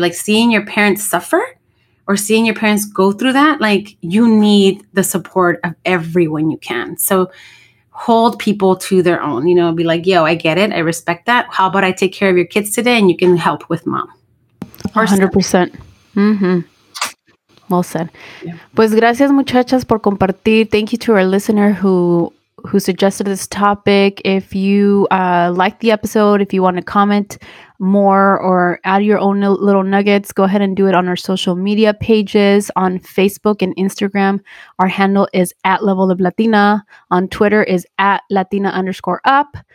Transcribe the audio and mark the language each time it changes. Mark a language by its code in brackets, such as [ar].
[en] Like, seeing your parents suffer or seeing your parents go through that, like, you need the support of everyone you can. So hold people to their own, you know, be like, yo, I get it. I respect that. How about I take care of your kids today and you can help with mom? 100%. Mm-hmm. Well said. Yeah. [es] Pues gracias, muchachas, por compartir. [en] Thank you to our listener who suggested this topic. If you like the episode, if you want to comment more or add your own little nuggets, go ahead and do it on our social media pages on Facebook and Instagram. Our handle is @LevelOfLatina. On Twitter is @Latina_up.